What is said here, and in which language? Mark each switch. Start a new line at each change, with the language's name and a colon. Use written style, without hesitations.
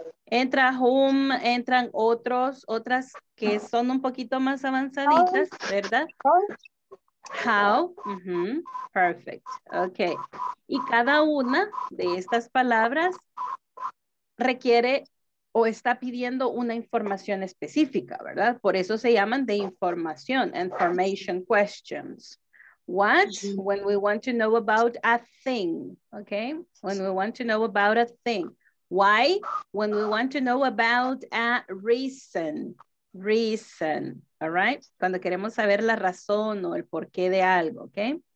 Spanish: Entra whom, entran otros, otras que son un poquito más avanzaditas, ¿verdad?
English: How, uh-huh. Perfect.
Spanish: Ok. Y cada una de estas palabras requiere o está pidiendo una información específica, ¿verdad? Por eso se llaman de información,
English: information questions. What? When we want to know about a thing, okay? When we want to know about a thing. Why? When we want to know about a reason. Reason, all right?
Spanish: Cuando queremos saber la razón o el porqué de algo, okay?